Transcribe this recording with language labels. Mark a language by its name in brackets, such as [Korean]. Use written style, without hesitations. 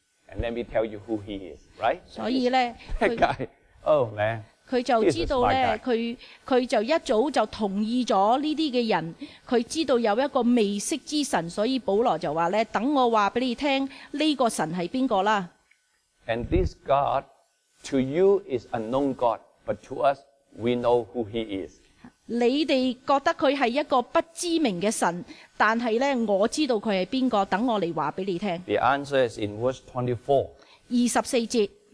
[English] And let me tell you who he is, right? [Cantonese] 所以呢 [English] that guy, oh man. [Cantonese] 他就知道呢，他就一早就同意了這些人，他知道有一個未識之神，所以保羅就話呢，等我話俾你聽，這個神係邊個啦。 [English] And this God, to you is unknown God, but to us,We know who he is. [Cantonese] 你哋覺得佢係一個不知名嘅神，但係咧，我知道佢係邊個。等我嚟話俾你聽。 [English] The answer is in verse 24. [Cantonese] 二十四節。